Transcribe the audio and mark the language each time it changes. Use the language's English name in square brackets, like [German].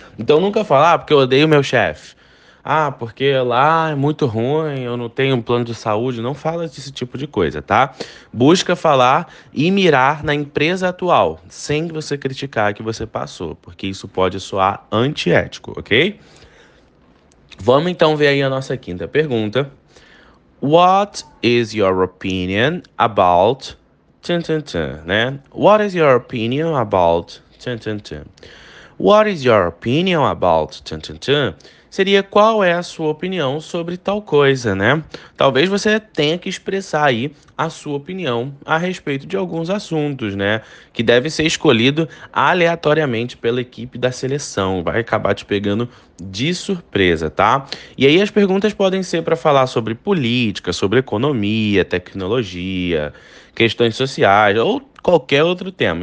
[Portuguese] Então, nunca falar, ah, porque eu odeio meu chefe. Ah, porque lá é muito ruim, eu não tenho um plano de saúde. Não fala desse tipo de coisa, tá? Busca falar e mirar na empresa atual, sem você criticar que você passou, porque isso pode soar antiético, ok? Vamos então ver aí a nossa quinta pergunta. [English] What is your opinion about tan, né? What is your opinion about tan? What is your opinion about tan? [Portuguese] Seria qual é a sua opinião sobre tal coisa, né? Talvez você tenha que expressar aí a sua opinião a respeito de alguns assuntos, né? Que deve ser escolhido aleatoriamente pela equipe da seleção. Vai acabar te pegando de surpresa, tá? E aí as perguntas podem ser para falar sobre política, sobre economia, tecnologia, questões sociais ou qualquer outro tema.